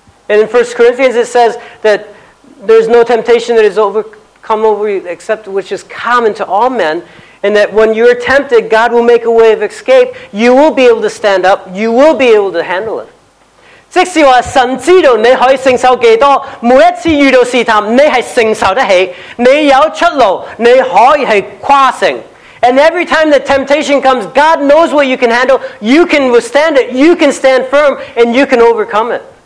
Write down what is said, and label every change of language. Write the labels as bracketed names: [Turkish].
[English] And in 1 Corinthians it says that there's no temptation that is overcome over you except which is common to all men, and that when you're tempted, God will make a way of escape. You will be able to stand up. You will be able to handle it. [Chinese] 即使神知道你可以承受多少,每一次遇到试探,你是承受得起,你有出路,你可以跨成. [English] And every time the temptation comes, God knows what you can handle. You can withstand it. You can stand firm and you can overcome it.